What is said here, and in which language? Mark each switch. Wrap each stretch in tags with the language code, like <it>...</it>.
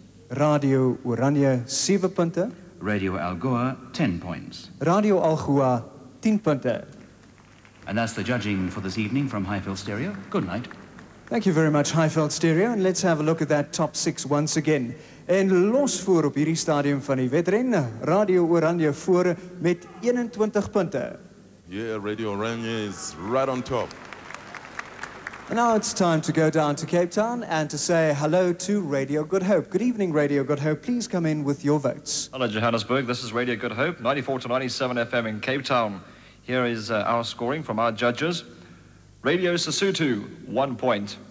<en>Radio Oranje, 7 points. Radio Algoa, 10 points. Radio Algoa, 10 points. And that's the judging for this evening from Highveld Stereo. Good night. Thank you very much, Highveld Stereo. And let's have a look at that top six once again.</en> <af>En los voor op hierdie stadium van die wedren, Radio Oranje voor met 21 punte.</af> <en>Yeah, Radio Oranje is right on top. And now it's time to go down to Cape Town and to say hello to Radio Good Hope. Good evening, Radio Good Hope. Please come in with your votes. Hello, Johannesburg. This is Radio Good Hope, 94 to 97 FM in Cape Town. Here is our scoring from our judges. Radio Sesotho, 1 point.</en>